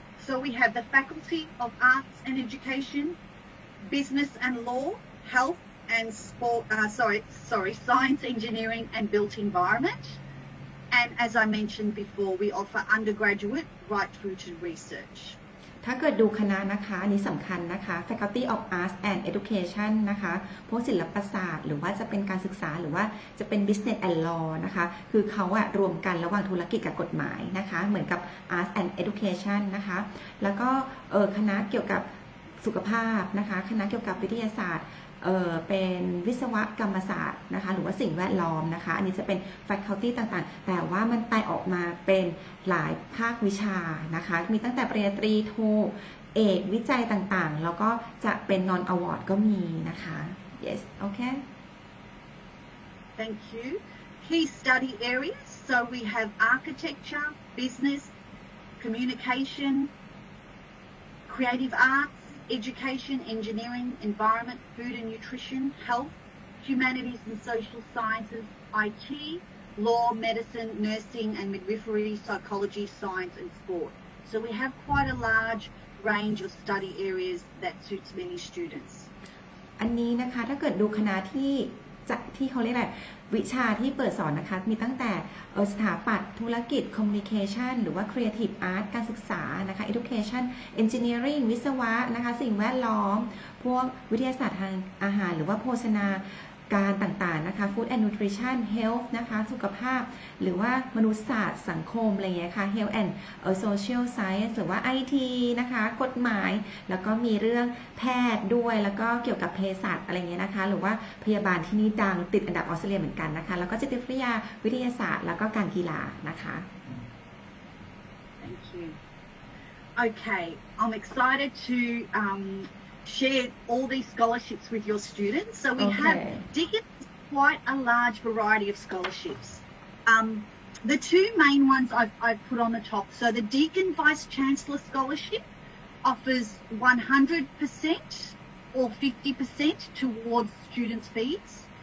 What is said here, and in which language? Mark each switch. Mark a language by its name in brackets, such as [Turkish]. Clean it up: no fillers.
[English] So we have the Faculty of Arts and Education, Business and Law, Health and Sport, Science, Engineering and Built Environment. And as I mentioned before, we offer undergraduate right through to research. [Thai] ถ้าเกิดดูคณะนะคะอันนี้สำคัญนะคะ Faculty of Arts and Education นะคะพวกศิลปศาสตร์หรือว่าจะเป็นการศึกษาหรือว่าจะเป็น Business and Law นะคะคือเขาอะรวมกันระหว่างธุรกิจกับกฎหมายนะคะเหมือนกับ Arts and Education นะคะแล้วก็คณะเกี่ยวกับสุขภาพนะคะคณะเกี่ยวกับวิทยาศาสตร์ เป็นวิศวกรรมศาสตร์นะคะหรือว่าสิ่งแวดล้อมนะคะอันนี้จะเป็น Faculty ต่างๆแต่ว่ามันแตกออกมาเป็นหลายภาควิชานะคะมีตั้งแต่ปริญญาตรีโทเอกวิจัยต่างๆแล้วก็จะเป็นนอนอวอร์ดก็มีนะคะ [English] Yes okay Thank you Key study areas so we have architecture business communication creative artsEducation, engineering, environment, food and nutrition, health, humanities and social sciences, IT, law, medicine, nursing and midwifery, psychology, science and sport. So we have quite a large range of study areas that suits many students. [Thai] อันนี้นะคะถ้าเกิดดูคณะที่เขาเรียกอะไรวิชาที่เปิดสอนนะคะมีตั้งแต่สถาปัตย์ธุรกิจคอมมิวนิเคชันหรือว่าครีเอทีฟอาร์ตการศึกษานะคะ education engineering วิศวะนะคะสิ่งแวดล้อมพวกวิทยาศาสตร์ทางอาหารหรือว่าโภชนา การต่างๆนะคะ food and nutrition health นะคะสุขภาพหรือว่ามนุษยศาสตร์สังคมอะไรเงี้ยค่ะ health and social science หรือว่า IT นะคะกฎหมายแล้วก็มีเรื่องแพทย์ด้วยแล้วก็เกี่ยวกับเภสัชอะไรเงี้ยนะคะหรือว่าพยาบาลที่นี่ดังติดอันดับออสเตรเลียเหมือนกันนะคะแล้วก็จิตวิทยาวิทยาศาสตร์แล้วก็การกีฬานะคะ [English] Thank you Okay I'm excited to share all these scholarships with your students. So we okay. have Deakin quite a large variety of scholarships. The two main ones I've put on the top. So the Deakin Vice Chancellor Scholarship offers 100% or 50% towards students' fees.